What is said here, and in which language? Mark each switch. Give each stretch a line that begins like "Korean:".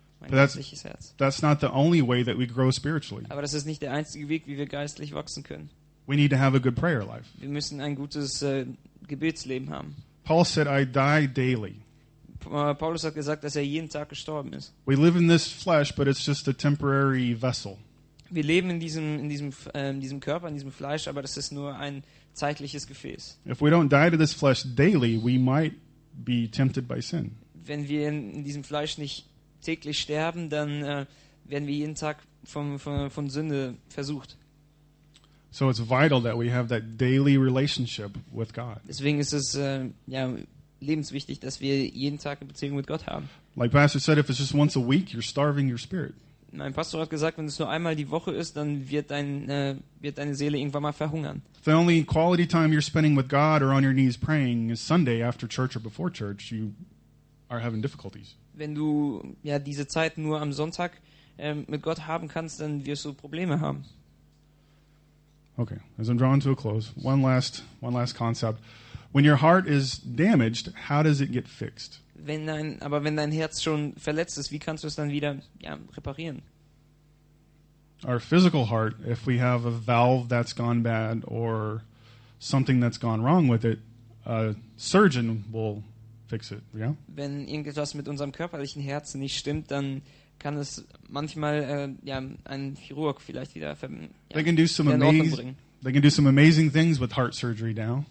English: That's not the only way that we grow spiritually.
German: Aber das ist nicht der einzige Weg, wie wir geistlich wachsen können.
English: We need to have a good prayer life.
German: Wir müssen ein gutes Gebetsleben haben.
English: Paul said, I die daily.
German: Paulus hat gesagt, dass jeden Tag gestorben ist.
English: We live in this flesh, but it's just a temporary vessel.
German: Wir leben in diesem Körper, in diesem Fleisch, aber das ist nur ein zeitliches Gefäß.
English: If we don't die to this flesh daily, we might be tempted by sin.
German: Wenn wir in diesem Fleisch nicht täglich sterben, dann werden wir jeden Tag von Sünde versucht.
English: So it's vital that we have that daily relationship with God.
German: Deswegen ist es lebenswichtig, dass wir jeden Tag eine Beziehung mit Gott haben.
English: Like Pastor said, if it's just once a week, you're starving your spirit.
German: Mein Pastor hat gesagt, wenn es nur einmal die Woche ist, dann wird deine Seele irgendwann mal verhungern.
English: The only quality time you're spending with God or on your knees praying is Sunday after church or before church, you are having difficulties.
German: Wenn du diese Zeit nur am Sonntag mit Gott haben kannst, dann wirst du Probleme haben.
English: Okay, as I'm drawing to a close, one last concept. When your heart is damaged, how does it get fixed?
German: Wenn dein Herz schon verletzt ist, wie kannst du es dann wieder reparieren?
English: Our physical heart, if we have a valve that's gone bad or something that's gone wrong with it, a surgeon will fix it, yeah?
German: Wenn irgendetwas mit unserem körperlichen Herzen nicht stimmt, dann kann es manchmal ein Chirurg vielleicht wieder in Ordnung bringen.
English: They can do some amazing things with heart surgery now.